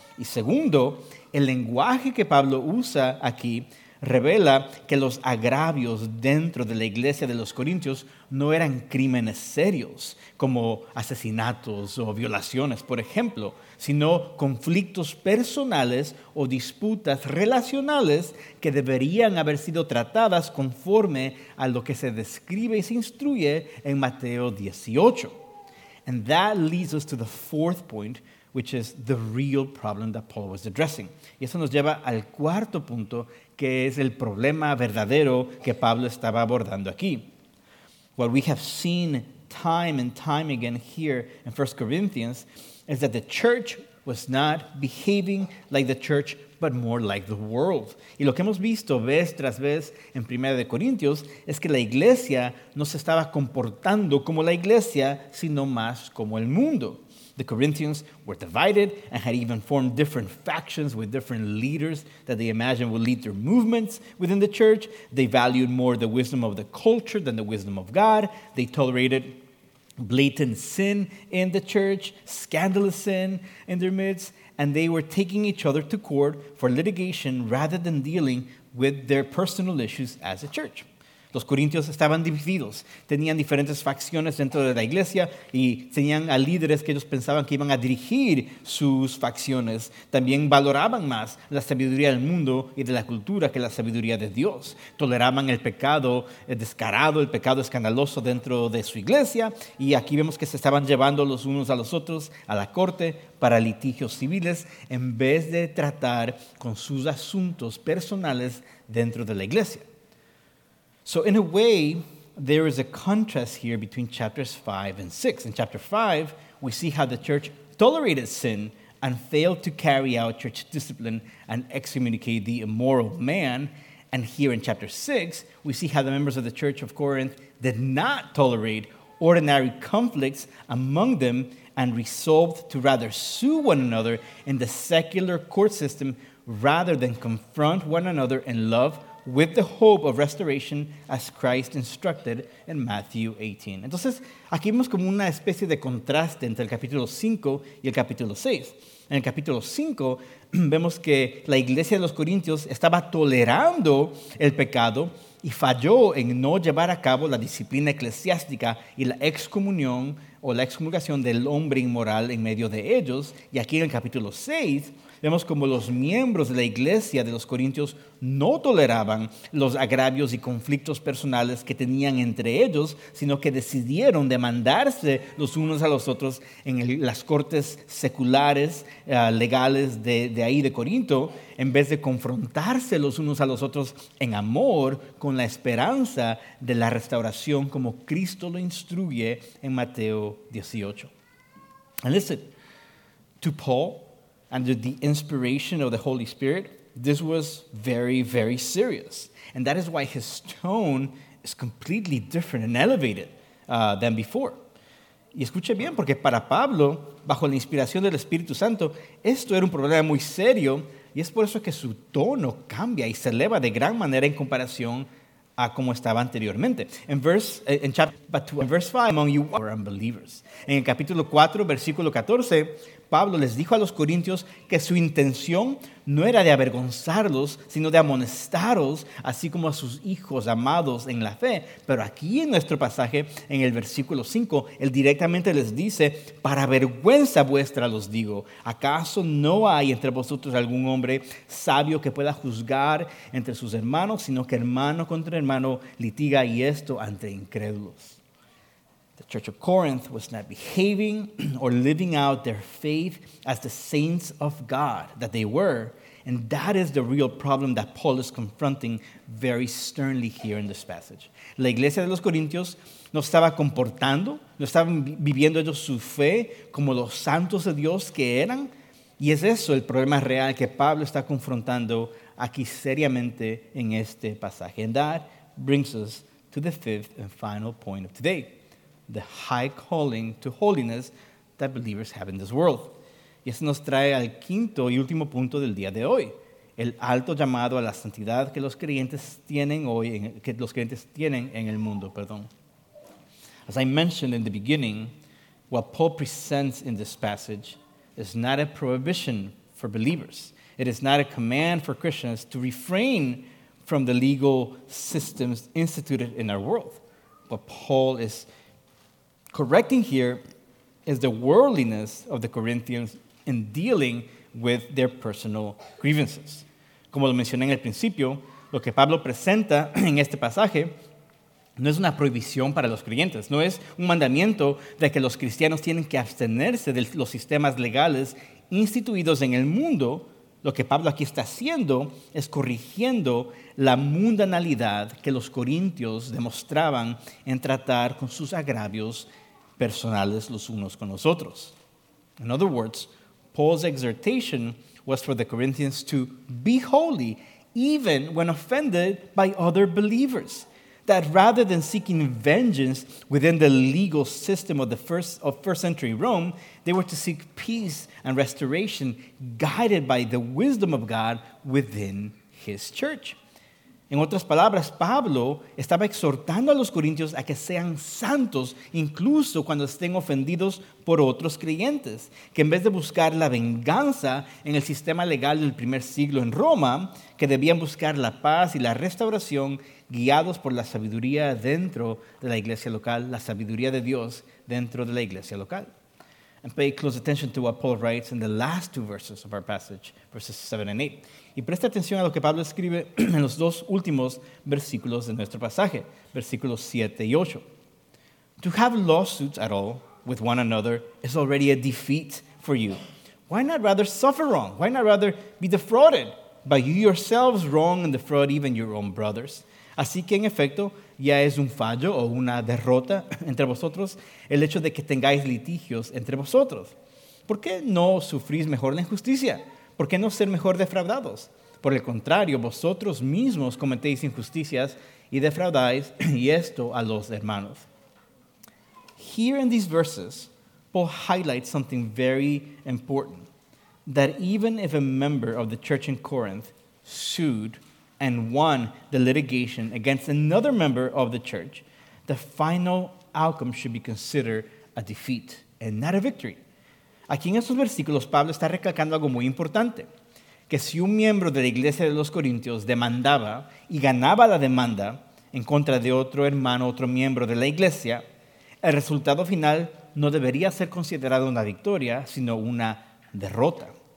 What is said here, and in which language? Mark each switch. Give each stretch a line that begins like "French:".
Spanish: Y segundo, el lenguaje que Pablo usa aquí revela que los agravios dentro de la iglesia de los corintios no eran crímenes serios, como asesinatos o violaciones, por ejemplo, sino conflictos personales o disputas relacionales que deberían haber sido tratadas conforme a lo que se describe y se instruye en Mateo 18.
English: And that leads us to the fourth point, which is the real problem that Paul was addressing.
Spanish: Y eso nos lleva al cuarto punto, que es el problema verdadero que Pablo estaba abordando aquí.
English: What we have seen time and time again here in 1 Corinthians is that the church was not behaving like the church, but more like the world.
Spanish: Y lo que hemos visto vez tras vez en 1 Corintios es que la iglesia no se estaba comportando como la iglesia, sino más como el mundo.
English: The Corinthians were divided and had even formed different factions with different leaders that they imagined would lead their movements within the church. They valued more the wisdom of the culture than the wisdom of God. They tolerated blatant sin in the church, scandalous sin in their midst, and they were taking each other to court for litigation rather than dealing with their personal issues as a church.
Spanish: Los corintios estaban divididos, tenían diferentes facciones dentro de la iglesia y tenían a líderes que ellos pensaban que iban a dirigir sus facciones. También valoraban más la sabiduría del mundo y de la cultura que la sabiduría de Dios. Toleraban el pecado descarado, el pecado escandaloso dentro de su iglesia. Y aquí vemos que se estaban llevando los unos a los otros a la corte para litigios civiles en vez de tratar con sus asuntos personales dentro de la iglesia.
English: So in a way, there is a contrast here between chapters 5 and 6. In chapter 5, we see how the church tolerated sin and failed to carry out church discipline and excommunicate the immoral man. And here in chapter 6, we see how the members of the church of Corinth did not tolerate ordinary conflicts among them and resolved to rather sue one another in the secular court system rather than confront one another in love with the hope of restoration as Christ instructed in Matthew 18.
Spanish: Entonces, aquí vemos como una especie de contraste entre el capítulo 5 y el capítulo 6. En el capítulo 5, vemos que la iglesia de los corintios estaba tolerando el pecado y falló en no llevar a cabo la disciplina eclesiástica y la excomunión o la excomulgación del hombre inmoral en medio de ellos. Y aquí en el capítulo 6, Vemos como los miembros de la iglesia de los corintios no toleraban los agravios y conflictos personales que tenían entre ellos, sino que decidieron demandarse los unos a los otros en las cortes seculares, legales de ahí de Corinto, en vez de confrontarse los unos a los otros en amor con la esperanza de la restauración como Cristo lo instruye en Mateo 18.
English: And listen, to Paul, under the inspiration of the Holy Spirit, this was very, very serious. And that is why his tone is completely different and elevated than before.
Spanish: Y escuche bien, porque para Pablo, bajo la inspiración del Espíritu Santo, esto era un problema muy serio, y es por eso que su tono cambia y se eleva de gran manera en comparación a como estaba anteriormente.
English: In verse 5, among you are unbelievers.
Spanish: En el capítulo 4, versículo 14, Pablo les dijo a los corintios que su intención no era de avergonzarlos, sino de amonestaros, así como a sus hijos amados en la fe. Pero aquí en nuestro pasaje, en el versículo 5, él directamente les dice, para vergüenza vuestra los digo, ¿acaso no hay entre vosotros algún hombre sabio que pueda juzgar entre sus hermanos, sino que hermano contra hermano litiga y esto ante incrédulos?
English: The Church of Corinth was not behaving or living out their faith as the saints of God that they were. And that is the real problem that Paul is confronting very sternly here in this passage.
Spanish: La iglesia de los corintios no estaba comportando, no estaban viviendo ellos su fe como los santos de Dios que eran. Y es eso el problema real que Pablo está confrontando aquí seriamente en este pasaje.
English: And that brings us to the fifth and final point of today: the high calling to holiness that believers have in this world.
Spanish: Y eso nos trae al quinto y último punto del día de hoy: el alto llamado a la santidad que los creyentes tienen hoy, que los creyentes tienen en el mundo. Perdón.
English: As I mentioned in the beginning, what Paul presents in this passage is not a prohibition for believers. It is not a command for Christians to refrain from the legal systems instituted in our world. What Paul is correcting here is the worldliness of the Corinthians in dealing with their personal grievances.
Spanish: Como lo mencioné en el principio, lo que Pablo presenta en este pasaje no es una prohibición para los creyentes, no es un mandamiento de que los cristianos tienen que abstenerse de los sistemas legales instituidos en el mundo. Lo que Pablo aquí está haciendo es corrigiendo la mundanalidad que los corintios demostraban en tratar con sus agravios personales los unos con los otros.
English: In other words, Paul's exhortation was for the Corinthians to be holy even when offended by other believers. That rather than seeking vengeance within the legal system of first century Rome, they were to seek peace and restoration guided by the wisdom of God within his church.
Spanish: En otras palabras, Pablo estaba exhortando a los corintios a que sean santos incluso cuando estén ofendidos por otros creyentes, que en vez de buscar la venganza en el sistema legal del primer siglo en Roma, que debían buscar la paz y la restauración guiados por la sabiduría dentro de la iglesia local, la sabiduría de Dios dentro de la iglesia local.
English: And pay close attention to what Paul writes in the last two verses of our passage, verses 7 and 8.
Spanish: Y presta atención a lo que Pablo escribe en los dos últimos versículos de nuestro pasaje, versículos 7 y 8.
English: To have lawsuits at all with one another is already a defeat for you. Why not rather suffer wrong? Why not rather be defrauded by you yourselves wrong and defraud even your own brothers?
Spanish: Así que, en efecto, ya es un fallo o una derrota entre vosotros el hecho de que tengáis litigios entre vosotros. ¿Por qué no sufrís mejor la injusticia? ¿Por qué no ser mejor defraudados? Por el contrario, vosotros mismos cometéis injusticias y defraudáis, y esto a los hermanos.
English: Here in these verses, Paul highlights something very important, that even if a member of the church in Corinth sued and won the litigation against another member of the church, the final outcome should be considered a defeat and not a victory.
Spanish: Aquí en estos versículos, Pablo está recalcando algo muy importante, que si un miembro de la iglesia de los corintios demandaba y ganaba la demanda en contra de otro hermano, otro miembro de la iglesia, el resultado final no debería ser considerado una victoria, sino una derrota.